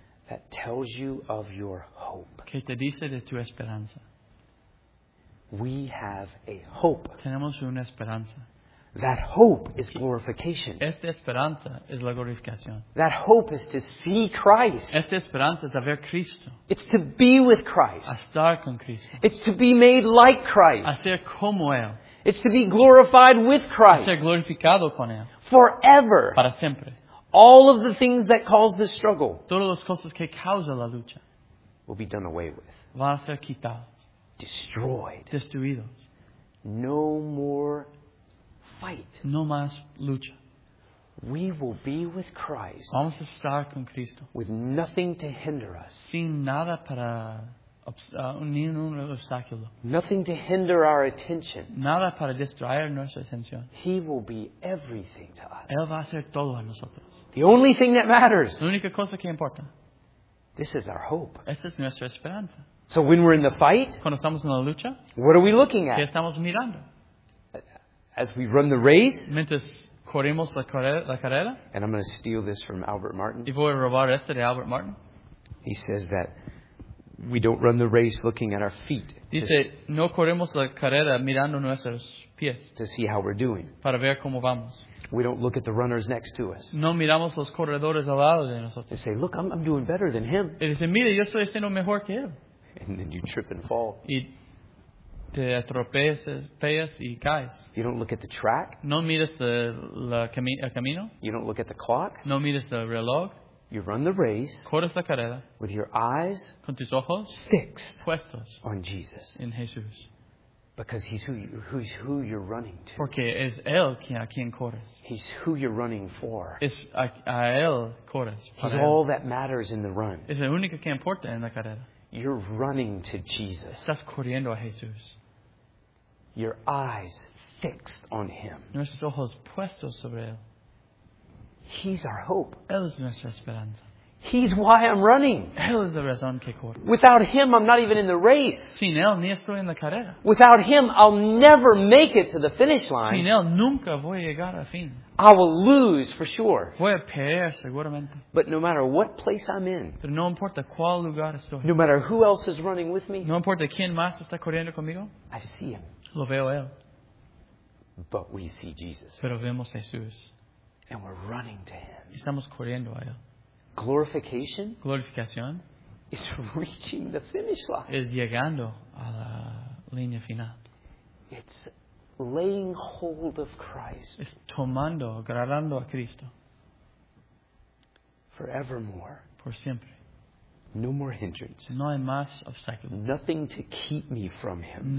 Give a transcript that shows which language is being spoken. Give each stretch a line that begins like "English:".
English: That tells you of your hope.
Spanish: Que te dice de tu esperanza.
English: We have a hope.
Spanish: Tenemos una esperanza.
English: That hope is glorification.
Spanish: Esta esperanza es la glorificación.
English: That hope is to see Christ.
Spanish: Esta esperanza es a ver Cristo.
English: It's to be with Christ.
Spanish: A estar con Cristo.
English: It's to be made like Christ.
Spanish: A ser como Él.
English: It's to be glorified with Christ.
Spanish: A ser glorificado con Él.
English: Forever.
Spanish: Para siempre.
English: All of the things that cause the struggle,
Spanish: todas las cosas que causa la lucha,
English: will be done away with.
Spanish: Van a ser quitados.
English: Destroyed.
Spanish: Destruidos.
English: No more fight.
Spanish: No más lucha.
English: We will be with Christ.
Spanish: Vamos a estar con Cristo.
English: With nothing to hinder us.
Spanish: Sin nada para ni un obstáculo.
English: Nothing to hinder our attention.
Spanish: Nada para distraer nuestra atención.
English: He will be everything to us.
Spanish: Él va a ser todo a nosotros.
English: The only thing that matters.
Spanish: La única cosa que importa.
English: This is our hope.
Spanish: Esta es nuestra esperanza.
English: So when we're in the fight,
Spanish: cuando estamos en la lucha,
English: what are we looking at?
Spanish: ¿Qué estamos mirando?
English: As we run the race,
Spanish: mientras corremos la carrera,
English: and I'm going to steal this from Albert Martin.
Spanish: Y voy a robar esto de Albert Martin.
English: He says that we don't run the race looking at our feet.
Spanish: Dice, no corremos la carrera mirando nuestros pies.
English: To see how we're doing.
Spanish: Para ver cómo vamos.
English: We don't look at the runners next to us.
Spanish: No miramos los corredores al lado de nosotros.
English: They say, look, I'm doing better than him.
Spanish: Y dice, mire, yo estoy haciendo mejor que él.
English: And then you trip and fall.
Spanish: Y te atropellas y caes.
English: You don't look at the track.
Spanish: No miras el camino.
English: You don't look at the clock.
Spanish: No miras el reloj.
English: You run the race.
Spanish: Corres la carrera.
English: With your eyes.
Spanish: Con tus ojos.
English: Fixed.
Spanish: Puestos.
English: On Jesus.
Spanish: En Jesús.
English: Because he's who you're running to.
Spanish: Porque es él a quien corres.
English: He's who you're running for.
Spanish: Es a él corres.
English: He's all that matters in the run.
Spanish: Es el único que importa en la carrera.
English: You're running to Jesus.
Spanish: Estás corriendo a Jesús.
English: Your eyes fixed on him.
Spanish: Nuestros ojos puestos sobre él.
English: He's our hope.
Spanish: Él es nuestra esperanza.
English: He's why I'm running.
Spanish: Él es la razón que corre.
English: Without him, I'm not even in the race.
Spanish: Sin él, ni estoy en la carrera.
English: Without him, I'll never make it to the finish line.
Spanish: Sin él, nunca voy a llegar al fin.
English: I will lose for sure.
Spanish: Voy a perder, seguramente.
English: But no matter what place I'm in.
Spanish: Pero no importa cuál lugar estoy.
English: No matter who else is running with me.
Spanish: No importa quién más está corriendo conmigo.
English: I see him.
Spanish: Lo veo él.
English: But we see Jesus.
Spanish: Pero vemos Jesús.
English: And we're running to him.
Spanish: Estamos corriendo a él.
English: Glorification.
Spanish: Glorificación.
English: Is reaching the finish line.
Spanish: Es llegando a la línea final.
English: It's laying hold of Christ.
Spanish: Es tomando, agarrando a Cristo.
English: Forevermore.
Spanish: Por siempre.
English: No more hindrance.
Spanish: No hay más obstáculos.
English: Nothing to keep me from him.